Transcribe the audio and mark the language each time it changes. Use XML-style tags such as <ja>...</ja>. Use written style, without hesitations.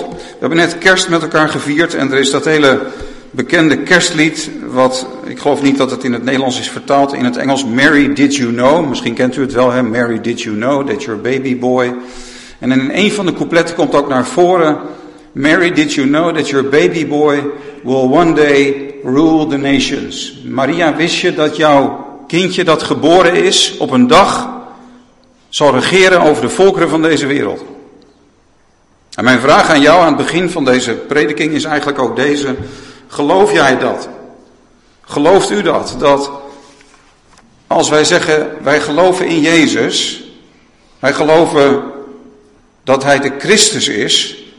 <nl>We hebben net kerst met elkaar gevierd en er is dat hele bekende kerstlied, wat ik geloof niet dat het in het Nederlands is vertaald, in het Engels Mary Did You Know. Misschien kent u het wel, hè?</nl> <en>Mary Did You Know That Your Baby Boy.</en> <nl>En in een van de coupletten komt ook naar voren</nl> <en>Mary, did you know that your baby boy will one day rule the nations?</en> <nl>Maria, wist je dat jouw kindje dat geboren is op een dag zal regeren over de volkeren van deze wereld? En mijn vraag aan jou aan het begin van deze prediking is eigenlijk ook deze. Geloof jij dat? Gelooft u dat? Dat als wij zeggen wij geloven in Jezus, wij geloven dat hij de Christus is.</nl>